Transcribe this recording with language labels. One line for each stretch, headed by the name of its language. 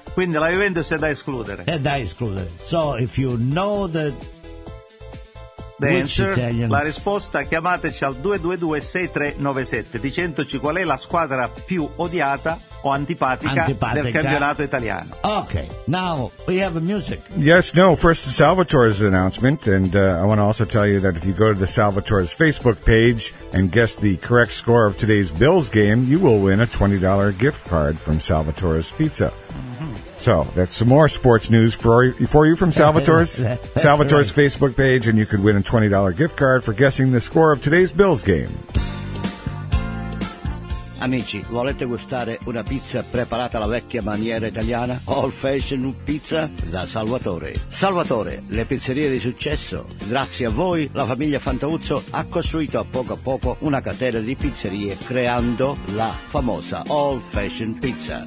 Italian: la Juventus è da escludere. È da escludere.
English: So if you know the answer, Italians...
Italian: la risposta, chiamateci al 222-6397 dicendoci qual è la squadra più odiata o antipatica del campionato italiano.
English: Okay, now we have a music. Yes, no, first the Salvatore's announcement, and I want to also tell you that if you go to the Salvatore's Facebook page and guess the correct score of today's Bills game, you will win a $20 gift card from Salvatore's Pizza. So that's some more sports news for you from Salvatore's right. Facebook page, and you could win a $20 gift card for guessing the score of today's Bills game.
Italian: Amici, volete gustare una pizza preparata alla vecchia maniera italiana? Old Fashion Pizza da Salvatore. Salvatore, le pizzerie di successo. Grazie a voi, la famiglia Fantauzzo ha costruito a poco una catena di pizzerie creando la famosa Old Fashion Pizza.